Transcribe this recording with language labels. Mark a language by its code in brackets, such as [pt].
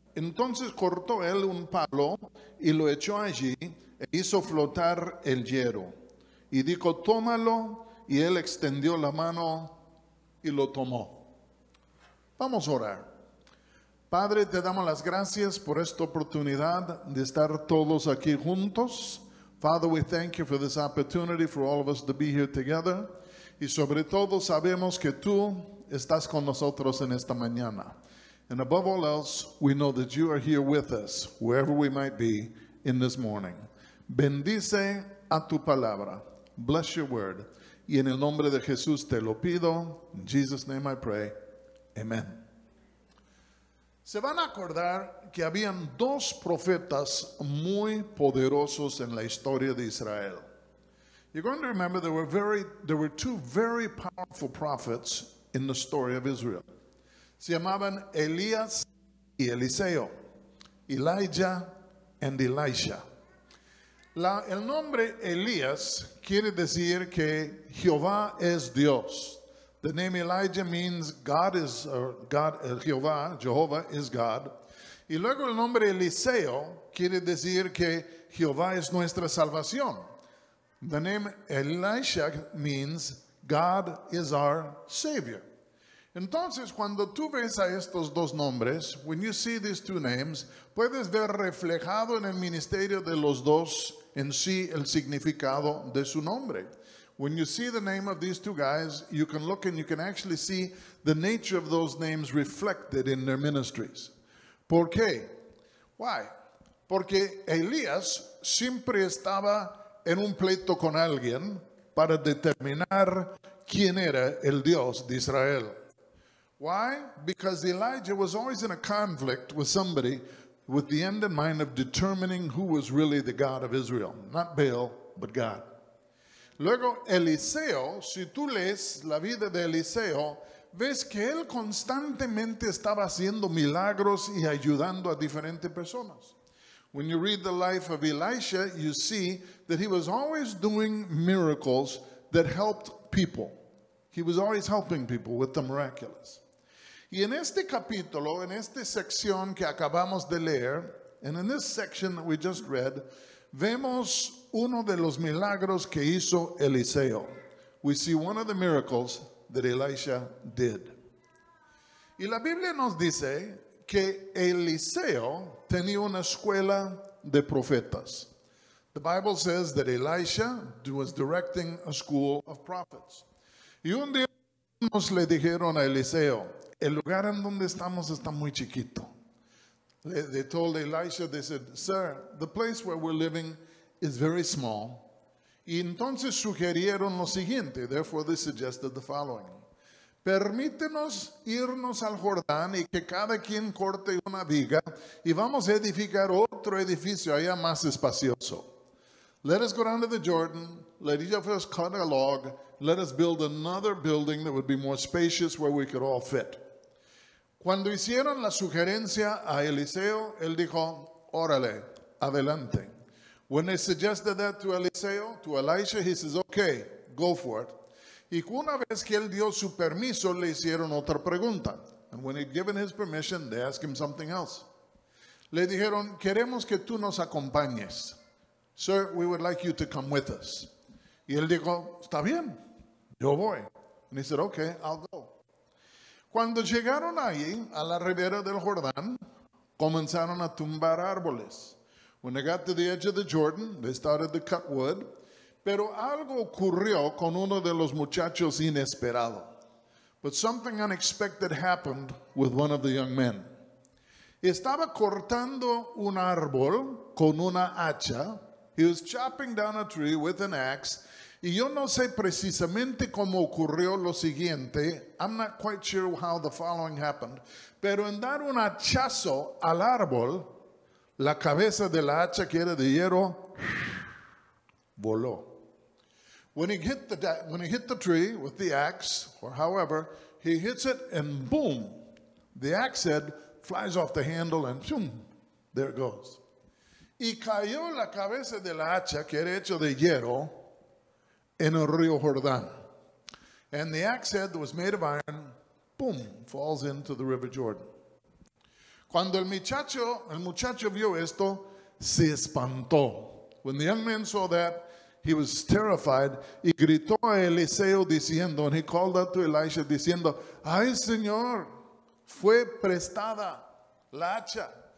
[es] Entonces cortó él un palo y lo echó allí e hizo flotar el hierro. Y dijo, tómalo. Y él extendió la mano y lo tomó. Vamos a orar. Padre, te damos las gracias por esta oportunidad de estar todos aquí juntos. [en] Father, we thank you for this opportunity for all of us to be here together. [es] Y sobre todo sabemos que tú estás con nosotros en esta mañana. [en] And above all else, we know that you are here with us, wherever we might be in this morning. [es] Bendice a tu palabra. [en] Bless your word. [es] Y en el nombre de Jesús te lo pido. [en] In Jesus' name I pray. Amen. [es] Se van a acordar que habían dos profetas muy poderosos en la historia de Israel. [en] You're going to remember there were two very powerful prophets in the story of Israel. [es] Se llamaban Elías y Eliseo, Elijah and Elisha. El nombre Elías quiere decir que Jehová es Dios. [en] The name Elijah means Jehovah is God. [es] Y luego el nombre Eliseo quiere decir que Jehová es nuestra salvación. [en] The name Elisha means God is our Savior. [es] Entonces, cuando tú ves a estos dos nombres, [en] when you see these two names, [es] puedes ver reflejado en el ministerio de los dos en sí el significado de su nombre. [en] When you see the name of these two guys, you can look and you can actually see the nature of those names reflected in their ministries. [es] ¿Por qué? [en] Why? [es] Porque Elías siempre estaba en un pleito con alguien para determinar quién era el Dios de Israel. [en] Why? Because Elijah was always in a conflict with somebody with the end in mind of determining who was really the God of Israel. Not Baal, but God. [es] Luego, Eliseo, si tú lees la vida de Eliseo, ves que él constantemente estaba haciendo milagros y ayudando a diferentes personas. [en] When you read the life of Elisha, you see that he was always doing miracles that helped people. He was always helping people with the miraculous. [es] Y en este capítulo, en esta sección que acabamos de leer, [en] and in this section that we just read, [es] vemos uno de los milagros que hizo Eliseo. [en] We see one of the miracles that Elisha did. [es] Y la Biblia nos dice que Eliseo tenía una escuela de profetas. [en] The Bible says that Elisha was directing a school of prophets. [es] Y un día nos le dijeron a Eliseo, el lugar en donde estamos está muy chiquito. [en] They told Elisha, they said, sir, the place where we're living is very small. [es] Y entonces sugirieron lo siguiente. [en] Therefore, they suggested the following. [es] Permítenos irnos al Jordán y que cada quien corte una viga y vamos a edificar otro edificio allá más espacioso. [en] Let us go down to the Jordan. Let each of us cut a log. Let us build another building that would be more spacious where we could all fit. [es] Cuando hicieron la sugerencia a Eliseo, él dijo, órale, adelante. [en] When they suggested that to Eliseo, to Elisha, he says, okay, go for it. [es] Y una vez que él dio su permiso, le hicieron otra pregunta. [en] And when he'd given his permission, they asked him something else. [es] Le dijeron, queremos que tú nos acompañes. [en] Sir, we would like you to come with us. [es] Y él dijo, está bien, yo voy. [en] And he said, okay, I'll go. [es] Cuando llegaron allí, a la ribera del Jordán, comenzaron a tumbar árboles. [en] When they got to the edge of the Jordan, they started to cut wood. [es] Pero algo ocurrió con uno de los muchachos inesperado. [en] But something unexpected happened with one of the young men. [es] Estaba cortando un árbol con una hacha. [en] He was chopping down a tree with an axe. [es] Y yo no sé precisamente cómo ocurrió lo siguiente. [en] I'm not quite sure how the following happened. [es] Pero en dar un hachazo al árbol, la cabeza de la hacha que era de hierro, voló. [en] When he hit the tree with the axe, or however, he hits it and boom, the axe head flies off the handle and boom, there it goes. [es] Y cayó la cabeza de la hacha que era hecho de hierro, en el río Jordán. [en] And the axe head that was made of iron, boom, falls into the river Jordan. [es] Cuando el muchacho vio esto, se espantó. [en] When the young man saw that, he was terrified. [es] Y gritó a Eliseo diciendo, [en] and he called out to Elisha [es] diciendo, ay, señor, fue prestada la hacha.